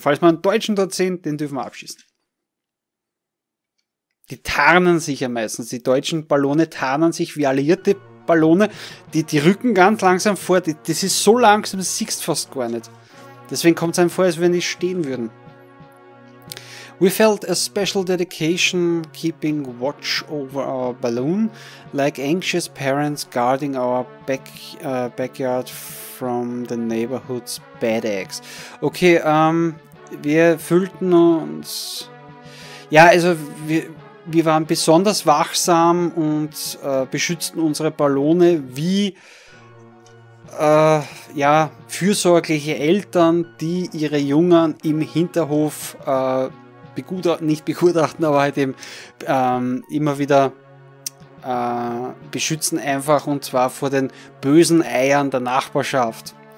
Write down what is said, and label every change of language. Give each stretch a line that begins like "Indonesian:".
German: Falls wir einen Deutschen dort sehen, den dürfen wir abschießen. Die tarnen sich ja meistens. Die deutschen Ballone tarnen sich wie alliierte Ballone. Die rücken ganz langsam vor. Das ist so langsam, das siehst du fast gar nicht. Deswegen kommt es einem vor, als wenn die stehen würden.
English: We felt a special dedication keeping watch over our balloon, like anxious parents guarding our backyard from the neighborhood's bad eggs.
German: Okay, wir fühlten uns... Ja, also wir waren besonders wachsam und beschützten unsere Ballone wie fürsorgliche Eltern, die ihre Jungen im Hinterhof beschützen einfach, und zwar vor den bösen Eiern der Nachbarschaft.